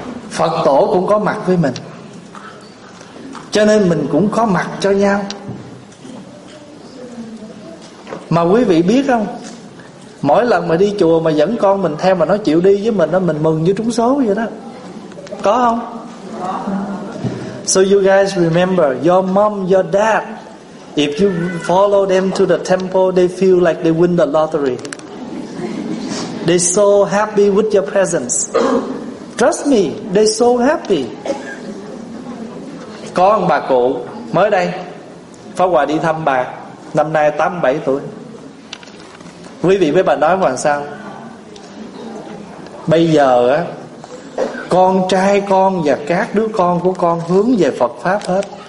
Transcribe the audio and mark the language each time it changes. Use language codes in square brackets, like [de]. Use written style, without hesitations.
[vi] Phật tổ cũng có mặt với mình, cho nên mình cũng có mặt cho nhau. Mà quý vị biết không, mỗi lần mà đi chùa mà dẫn con mình theo mà nó chịu đi với mình đó, mình mừng như trúng số vậy đó. Có không? [en] So you guys remember, your mom, your dad, if you follow them to the temple, they feel like they win the lottery. They so happy with your presence. Trust me, they so happy. [vi] Con bà cụ mới đây, Pháp Hòa đi thăm bà, năm nay 87 tuổi. Quý vị với bà nói làm sao? Bây giờ á, con trai con và các đứa con của con hướng về Phật Pháp hết.